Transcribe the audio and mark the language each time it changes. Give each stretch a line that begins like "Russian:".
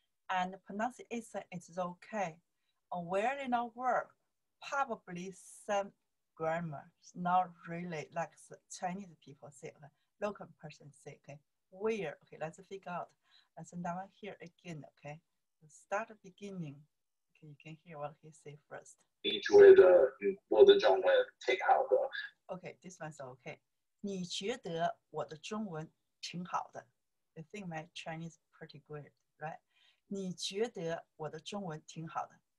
English: And pronunciation is okay. Where in our world, probably some grammar. It's not really like Chinese people say, okay? Local person say, okay? Where, okay, let's figure out. Let's now here again, okay? Let's start the beginning. Okay, you can hear what he say first.
Chinese: 你觉得我的中文挺好的?
English: Okay, this one's okay.
Chinese: 你觉得我的中文挺好的?
English: I think my Chinese is pretty good, right?
Chinese: 你觉得我的中文挺好的?